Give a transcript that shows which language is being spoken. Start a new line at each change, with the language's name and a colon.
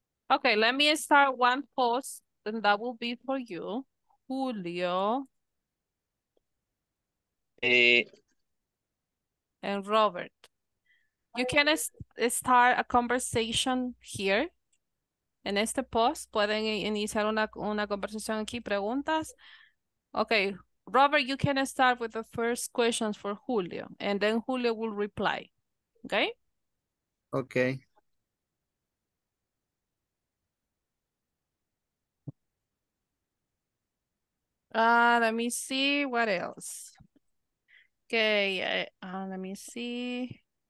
English: Okay, let me start one post, and that will be for you. Julio. And Robert, you can start a conversation here.
Spanish: En este post, pueden iniciar una conversación aquí, preguntas.
English: Okay, Robert, you can start with the first questions for Julio, and then Julio will reply. Okay? Okay. Let me see what else. Okay, let me see.